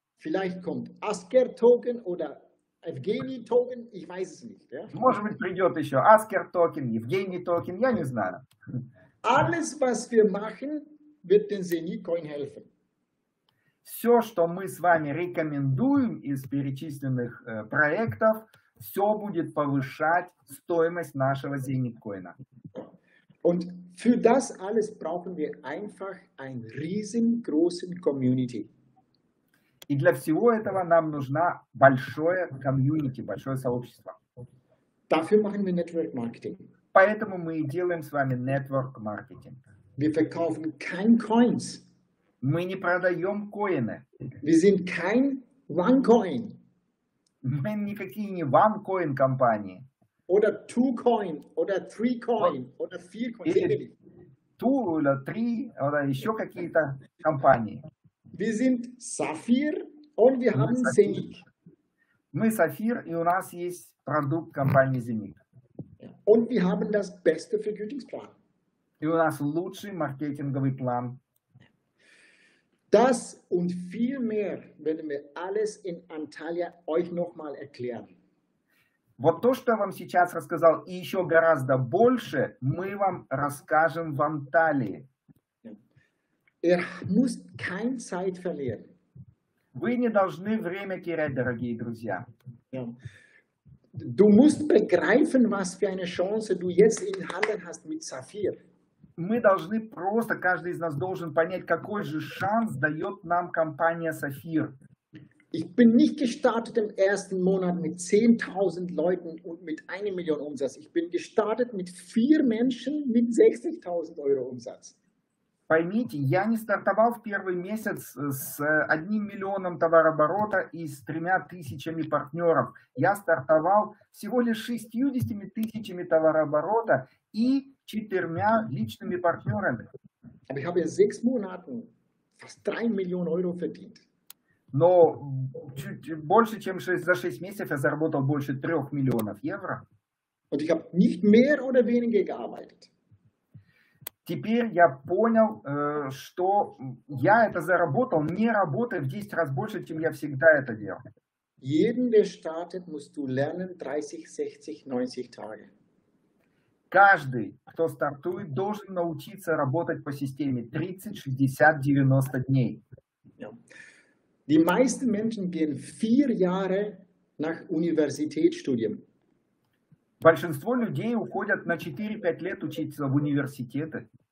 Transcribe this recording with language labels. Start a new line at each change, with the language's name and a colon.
German: Vielleicht kommt Asker Token oder Evgeny Token. Ich weiß es nicht. Ja?
Russian: Может быть, придет еще Asker Token, Evgeny Token. Я не знаю.
German: Alles, was wir machen, wird den Zenith Coin helfen.
Russian: Все, что мы с вами рекомендуем из перечисленных проектов, все будет повышать стоимость нашего Zenith Coin.
German: Und für das alles brauchen wir einfach einen riesengroßen Community.
Russian: И для всего этого нам нужна большое комьюнити, большое сообщество.
German: Dafür machen wir Network Marketing.
Russian: Поэтому мы и делаем с вами Network Marketing.
German: Wir verkaufen keine Coins.
Russian: Мы не продаем коины.
German: Wir sind kein OneCoin.
Russian: Мы никакие не OneCoin компании.
German: Oder
English: two coin,
German: oder
English: three coin, oder four coin.
Russian: Two, или три, или еще какие-то компании.
German: Wir sind Sapphire und wir haben Zenith.
Russian: Мы Sapphire, и у нас есть продукт компании Zenith.
German: Und wir haben das beste Vergütungsplan.
Russian: И у нас лучший маркетинговый план.
German: Das und viel mehr werden wir alles in Antalya euch nochmal erklären.
Russian: Вот то, что я вам сейчас рассказал, и еще гораздо больше, мы вам расскажем в Анталии.
German: Er muss kein Zeit verlieren.
Russian: Вы не должны время терять, дорогие друзья.
German: Du musst begreifen, was für eine Chance du jetzt in Handel hast mit Saphir.
Russian: Мы должны просто, каждый из нас должен понять, какой же шанс дает нам компания Saphir.
German: Ich bin nicht gestartet im ersten Monat mit 10.000 Leuten und mit 1 Million Umsatz. Ich bin gestartet mit 4 Menschen mit 60.000 Euro Umsatz.
Russian: Поймите, я не стартовал в первый месяц с 1 миллионом товарооборота и с 3000 партнеров. Я стартовал всего лишь 60 000 товарооборота и 4 личными партнерами.
German: Aber ich habe in 6 Monaten fast 3 Millionen Euro verdient.
Russian: Но чуть больше, чем за 6 месяцев я заработал больше 3 миллионов евро.
German: Und ich habe nicht mehr oder weniger gearbeitet.
Russian: Теперь я понял, что я это заработал, не работая в 10 раз больше, чем я всегда это делал.
German: Jeden, der startet, musst du lernen 30, 60, 90 Tage.
Russian: Каждый, кто стартует, должен научиться работать по системе 30, 60, 90 дней.
German: Die meisten Menschen gehen 4 Jahre nach Universitätsstudium.
Russian: Большинство людей уходят на 4-5 лет учиться в университеты.